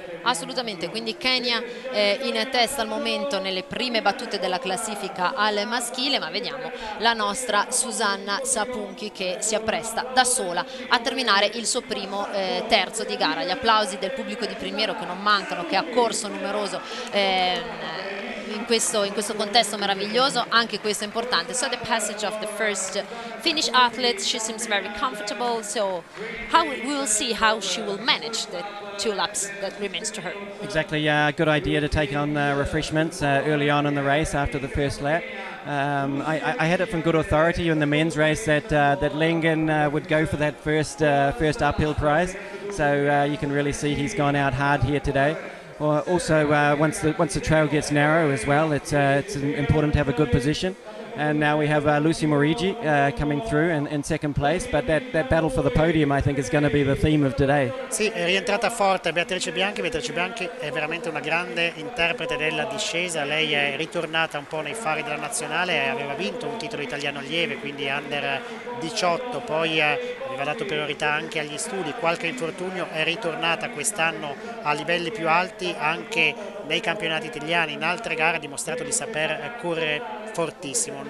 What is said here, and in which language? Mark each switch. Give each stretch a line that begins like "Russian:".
Italian: Assolutamente, quindi Kenya in testa al momento nelle prime battute della classifica al maschile, ma vediamo la nostra Susanna Sapunki che si appresta da sola a terminare il suo primo terzo di gara. Gli applausi del pubblico di Primiero che non mancano, che ha corso numeroso in questo contesto meraviglioso, anche questo è importante.
English: So the passage of the first Finnish athlete, she seems very comfortable, so how we will see how she will manage the two laps that remains to her. Exactly, yeah, good idea to take on refreshments early on in the race after the first lap. I had it from good authority in the men's race that Lengen would go for that first uphill prize, so you can really see he's gone out hard here today. Also, once the trail gets narrow as well, it's important to have a good position. And now we have Lucy Morigi coming through in second place, but that battle for the podium I think is going to be the theme of today.
Italian: Sì, è rientrata forte Beatrice Bianchi è veramente una grande interprete della discesa. Lei è ritornata un po' nei fari della nazionale, aveva vinto un titolo italiano lieve, quindi under 18, poi aveva dato priorità anche agli studi, qualche infortunio, è ritornata quest'anno a livelli più alti anche nei campionati italiani, in altre gare ha dimostrato di saper correre fortissimo.